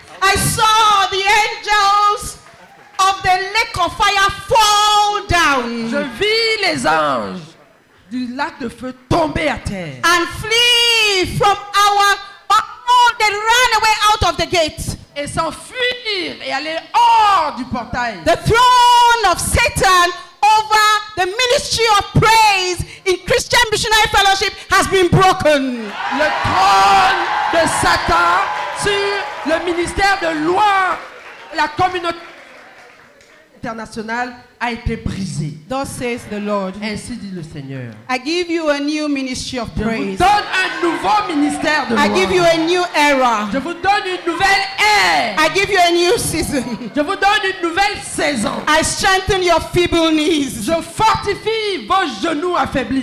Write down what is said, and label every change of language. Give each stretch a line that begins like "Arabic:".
English: I saw the angels of the lake of fire fall down.
French: Je vis les anges du lac de feu tomber à terre.
English: And flee from our all they ran away out of the gate.
French: Et s'enfuir et aller hors du portail.
English: The throne of Satan over the ministry of praise in Christian Missionary Fellowship has been broken.
French: Le trône de Satan sur le ministère de louange, la communauté international a été brisé.
English: Thus says the Lord.
French: Ainsi dit le Seigneur.
English: I give you a new ministry of praise.
French: Je vous donne un nouveau ministère de gloire.
English: I give you a new era.
French: Je vous donne une nouvelle ère.
English: I give you a new season.
French: Je vous donne une nouvelle saison.
English: I strengthen your feeble knees.
French: Je fortifie vos genoux affaiblis.